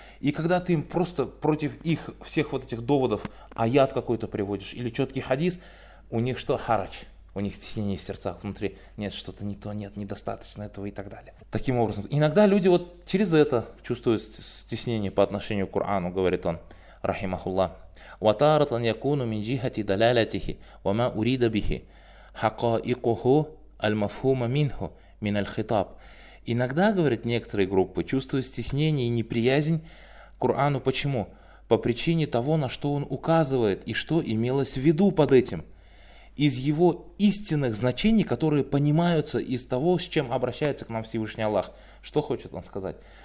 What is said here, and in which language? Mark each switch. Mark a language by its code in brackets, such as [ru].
[ru] И когда ты им просто против их всех вот этих доводов аят какой-то приводишь или четкий хадис, у них что, харадж? У них стеснение в сердцах внутри, нет, что-то не то, нет, недостаточно этого и так далее. Таким образом, иногда люди вот через это чувствуют стеснение по отношению к Корану, говорит он, рахимахулла. [ar] وَتَارَةً يَكُونُ مِنْ جِهَةِ دَلَالَتِهِ وَمَا أُرِيدَ بِهِ حَقَائِقُهُ Аль-Мафхума Минху, Мин Аль-Хитаб. [ru] Иногда, говорят некоторые группы, чувствуют стеснение и неприязнь к Корану. Почему? По причине того, на что он указывает и что имелось в виду под этим. Из его истинных значений, которые понимаются из того, с чем обращается к нам Всевышний Аллах. Что хочет он сказать?